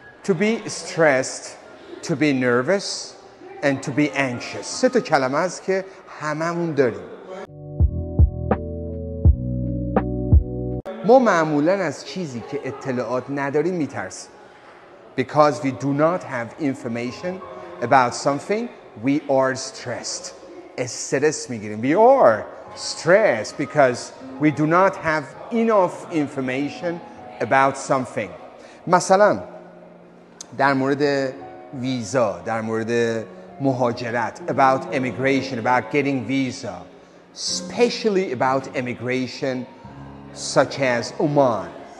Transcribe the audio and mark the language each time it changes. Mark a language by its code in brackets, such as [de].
[en] To be stressed, to be nervous, and to be anxious. [fa] سه تا کلمه است که هممون داریم. ما معمولاً از چیزی که اطلاعات نداریم میترسیم. [en] Because we do not have information about something, we are stressed. [fa] استرس میگیریم. [en] We are stressed because we do not have enough information about something. [fa] مثلاً در مورد ویزا، در مورد مهاجرت، [en] about immigration, about getting visa, especially about immigration such as Oman.